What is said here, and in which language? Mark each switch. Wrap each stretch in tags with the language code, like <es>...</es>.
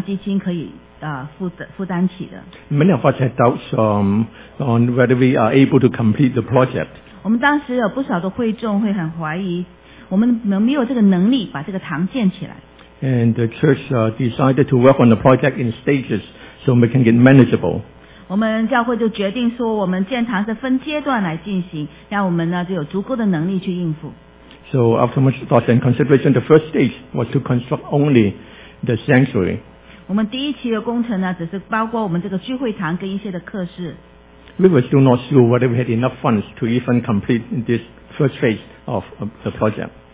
<zh>当时这样的成本是远超过我们当时的建堂基金可以负担起的。</zh> <en>Many of us had doubts on whether we are able to complete the project.</en> <zh>我们当时有不少的会众会很怀疑，我们没有这个能力把这个堂建起来。</zh> <en>And the church decided to work on the project in stages so we can get manageable.</en> <zh>我们教会就决定说，我们建堂是分阶段来进行，让我们呢就有足够的能力去应付。</zh> <en>So after much thought and consideration, the first stage was to construct only the sanctuary.</en> <zh>我们第一期的工程呢，只是包括我们这个聚会堂跟一些的课室。</zh> <en>We were still not sure whether we had enough funds to even complete this first phase of the project.</en>